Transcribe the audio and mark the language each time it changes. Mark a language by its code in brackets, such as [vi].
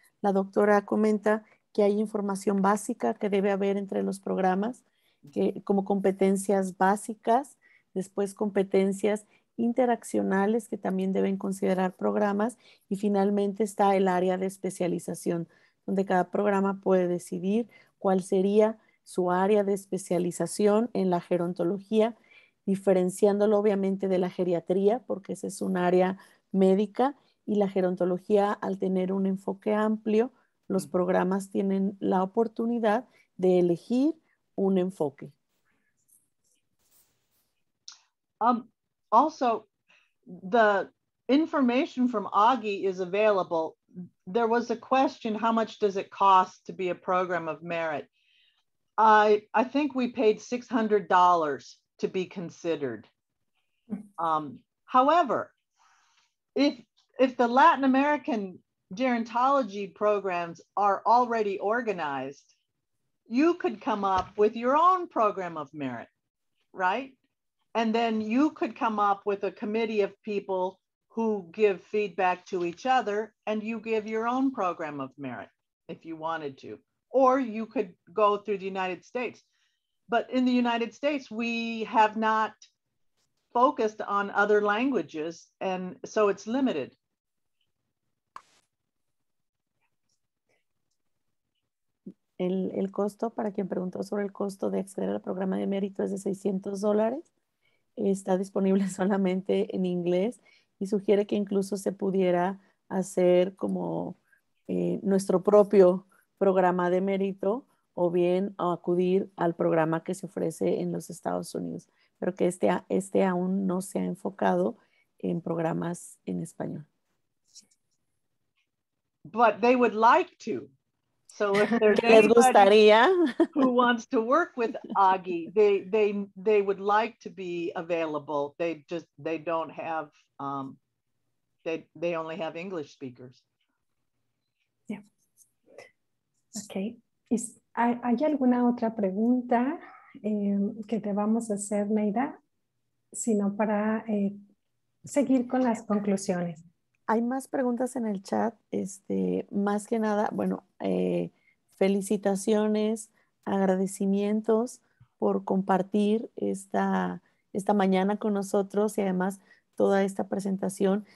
[es] La doctora comenta que hay información básica que debe haber entre los programas, que, como competencias básicas, después competencias interaccionales que también deben considerar programas, y finalmente está el área de especialización, donde cada programa puede decidir cuál sería su área de especialización en la gerontología, diferenciándolo obviamente de la geriatría, porque ese es un área médica, y la gerontología, al tener un enfoque amplio, los programas tienen la oportunidad de elegir un enfoque. [en] Also, the information from Aggie is available. There was a question, how much does it cost to be a program of merit? I think we paid $600 to be considered. However, if the Latin American gerontology programs are already organized, you could come up with your own program of merit, right? And then you could come up with a committee of people who give feedback to each other, and you give your own program of merit if you wanted to, or you could go through the United States. But in the United States, we have not focused on other languages, and so it's limited. [es] El costo, para quien preguntó sobre el costo de acceder al programa de mérito, es de $600. Está disponible solamente en inglés y sugiere que incluso se pudiera hacer como nuestro propio programa de mérito o bien acudir al programa que se ofrece en los Estados Unidos, pero que este aún no se ha enfocado en programas en español. [en] But they would like to. So if there's [es] les gustaría [en] who wants to work with Aggie, they would like to be available. They don't have they only have English speakers. Yeah. Okay. [es] ¿Hay alguna otra pregunta que te vamos a hacer, Neida? Sino para seguir con las conclusiones. Hay más preguntas en el chat. Más que nada, bueno, felicitaciones, agradecimientos por compartir esta mañana con nosotros y además toda esta presentación.